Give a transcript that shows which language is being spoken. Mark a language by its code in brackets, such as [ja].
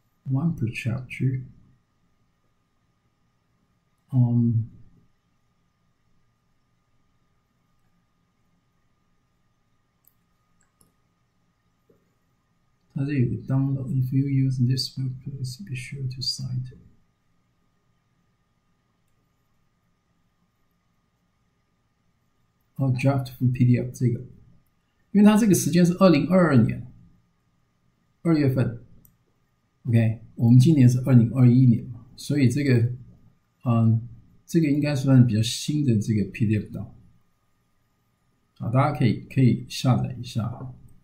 [en] One per chapter。 [zh] 它这有个 download。 [en] If you use this book, please be sure to sign it. [zh] 哦， [en] draft from PDF [zh] 这个。因为它这个时间是2022年2月份，OK，我们今年是2021年嘛，所以这个，这个应该算比较新的这个 PDF 档，啊，大家可以下载一下。